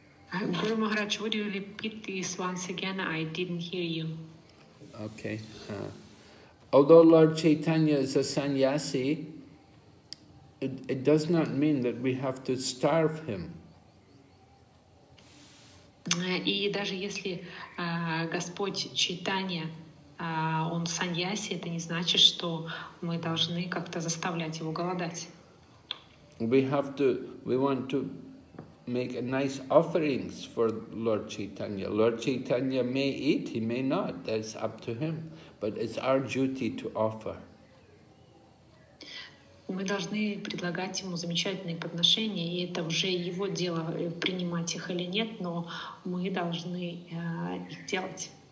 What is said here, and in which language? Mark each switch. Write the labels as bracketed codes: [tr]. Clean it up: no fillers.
[en] Guru Maharaj, would you repeat this once again? I didn't hear you. Okay. Although Lord Chaitanya is a sannyasi, it does not mean that we have to starve him. [ru] И даже если Господь Чайтанья, он сандьяси, это не значит, что мы должны как-то заставлять его голодать. [en] We want to make a nice offerings for Lord Chaitanya. Lord Chaitanya may eat, he may not, that's up to him. But it's our duty to offer. [ru] Мы должны предлагать ему замечательные подношения, и это уже его дело, принимать их или нет, но мы должны их делать.